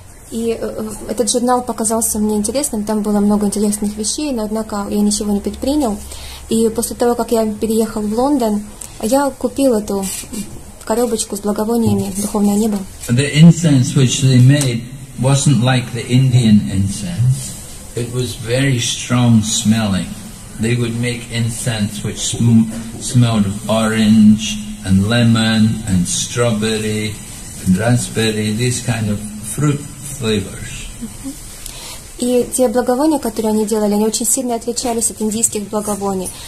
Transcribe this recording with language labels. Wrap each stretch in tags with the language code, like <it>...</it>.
<ru>И этот журнал показался мне интересным, там было много интересных вещей, но, однако, я ничего не предпринял. И после того, как я переехал в Лондон, я купил эту коробочку с благовониями «Духовное небо».</ru> <en>The incense which they made wasn't like the Indian incense. It was very strong smelling. They would make incense which smelled of orange and lemon and strawberry and raspberry, these kind of fruit flavors.</en> <ru>И те благовония, которые они делали, они очень сильно отличались от индийских благовоний.</ru>